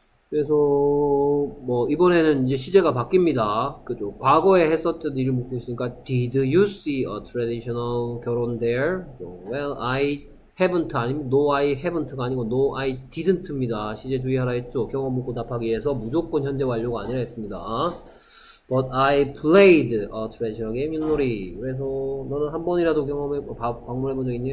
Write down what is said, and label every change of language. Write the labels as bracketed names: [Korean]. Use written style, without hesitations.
[Korean] 그래서 뭐 이번에는 이제 시제가 바뀝니다. 그죠? 과거에 했었던 일을 묻고 있으니까 [English] Did you see a traditional [Korean] 결혼 there? [English] Well, I haven't [Korean] 아니면 [English] no I haven't가 아니고 no I didn't입니다. [Korean] 시제 주의하라 했죠. 경험 묻고 답하기 위해서 무조건 현재 완료가 아니라 했습니다. [English] But I played a traditional game in Nori. [Korean] 그래서 너는 한 번이라도 경험해 방문해 본 적 있니?